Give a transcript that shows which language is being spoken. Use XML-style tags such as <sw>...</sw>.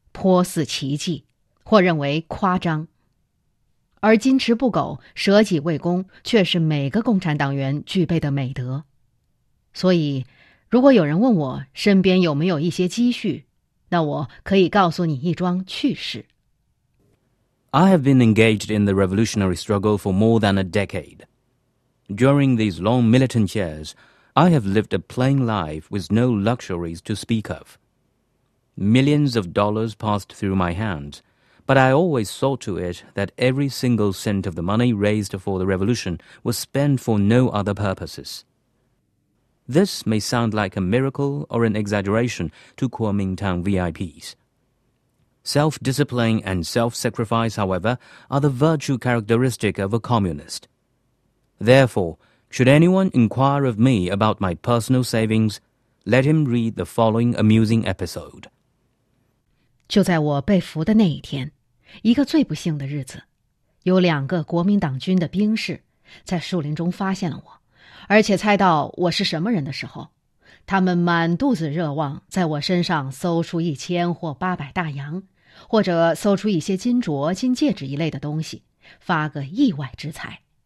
<zh>颇似奇迹，或认为夸张。而矜持不苟、舍己为公，却是每个共产党员具备的美德。所以，如果有人问我身边有没有一些积蓄，那我可以告诉你一桩趣事。</zh> <en>I have been engaged in the revolutionary struggle for more than a decade. During these long militant years, I have lived a plain life with no luxuries to speak of. Millions of dollars passed through my hands, but I always saw to it that every single cent of the money raised for the revolution was spent for no other purposes. This may sound like a miracle or an exaggeration to Kuomintang VIPs. Self-discipline and self-sacrifice, however, are the virtue characteristic of a communist. Therefore, should anyone inquire of me about my personal savings, let him read the following amusing episode.</en> <zh>就在我被俘的那一天，一个最不幸的日子，有两个国民党军的兵士在树林中发现了我，而且猜到我是什么人的时候，他们满肚子热望在我身上搜出一千或八百大洋，或者搜出一些金镯、金戒指一类的东西，发个意外之财。</zh>